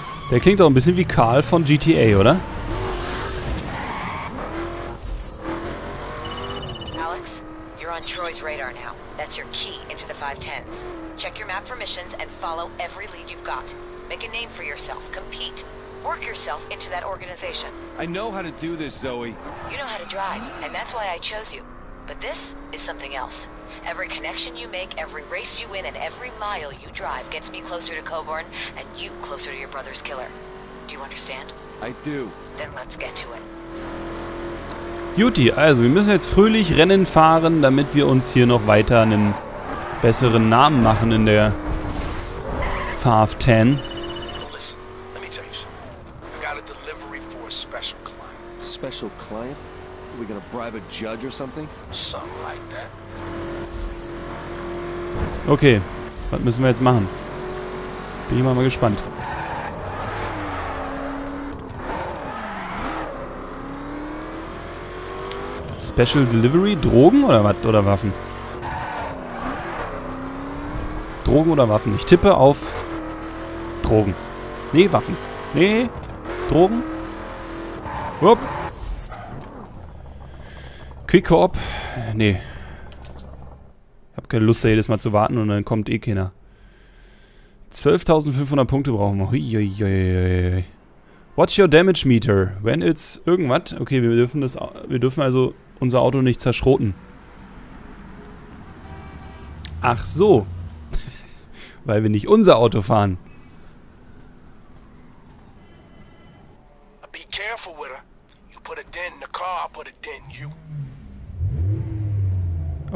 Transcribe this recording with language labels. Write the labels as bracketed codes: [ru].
[de] Der klingt doch ein bisschen wie Carl von GTA, oder? [en] Alex, you're on Troy's radar now. That's your key into the 510s. Check your map for missions and follow every lead you've got. Make a name for yourself, compete. Work yourself into that organization. I know how to do this, Zoe. You know how to drive, and that's why I chose you. But this is something else. Every connection you make, every race you win, and every mile you drive gets me closer to Coburn and you closer to your brother's killer. Do you understand? I do. Then let's get to it. [de] Juti, also wir müssen jetzt fröhlich Rennen fahren, damit wir uns hier noch weiter einen besseren Namen machen in der Fav 10. [en] Listen, let me tell you something. I've got a delivery for a special client. Special client? Are we gonna bribe a judge or something? Something like that. [de] Okay, was müssen wir jetzt machen? Bin ich mal gespannt. Special Delivery? Drogen oder was? Oder Waffen? Drogen oder Waffen? Ich tippe auf Drogen. Nee, Waffen. Nee, Drogen. Hopp. Quick Coop. Nee. Hab keine Lust, da jedes Mal zu warten und dann kommt eh keiner. 12.500 Punkte brauchen wir. Huiuiuiui. [en] What's your damage meter? When it's [de] irgendwas? Okay, wir dürfen das. Wir dürfen also unser Auto nicht zerschroten. Ach so. Weil wir nicht unser Auto fahren. [en] Be careful with her. You put a dent in the car, I put a dent in you.